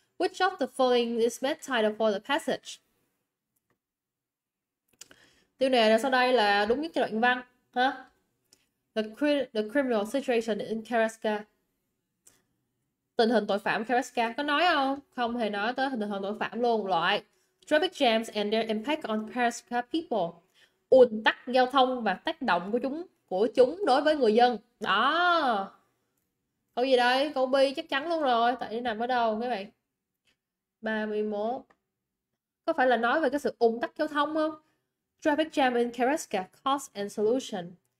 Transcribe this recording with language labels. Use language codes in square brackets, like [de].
[en] Which of the following is best title for the passage? [vi] Tiêu đề sau đây là đúng nhất cho đoạn văn. Hả? [en] The criminal situation in Carrasca. [vi] Tình hình tội phạm Carrasca có nói không? Không hề nói tới tình hình tội phạm luôn. [en] Loại traffic jams and their impact on Carrasca people. [vi] Ùn tắc giao thông và tác động của chúng đối với người dân. Đó. Câu gì đây? Câu B chắc chắn luôn rồi. Tại đi nằm ở đâu mấy bạn? 31. Có phải là nói về cái sự ùn tắc giao thông không? [en] Traffic jam in Carrasca, cause and solution.